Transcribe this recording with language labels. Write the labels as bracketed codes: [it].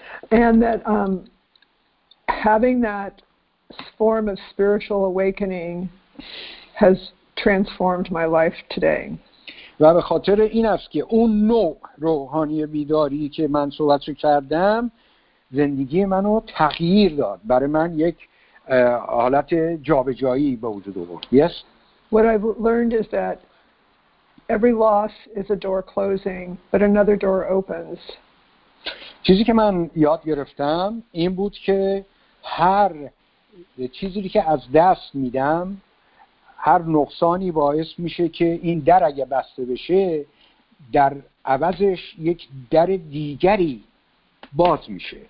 [en] And that having that form of spiritual awakening has transformed my life today. [fa] و به خاطر این است که اون نوع روحانی بیداری که من صحبت کردم زندگی منو تغییر داد. برای من یک حالت جابجایی به وجود آورد. [en] Yes. What I've learned is that every loss is a door closing, but another door opens. [fa] چیزی که من یاد گرفتم این بود که هر چیزی که از دست میدم، هر نقصانی باعث میشه که این در اگه بسته بشه در عوضش یک در دیگری باز میشه.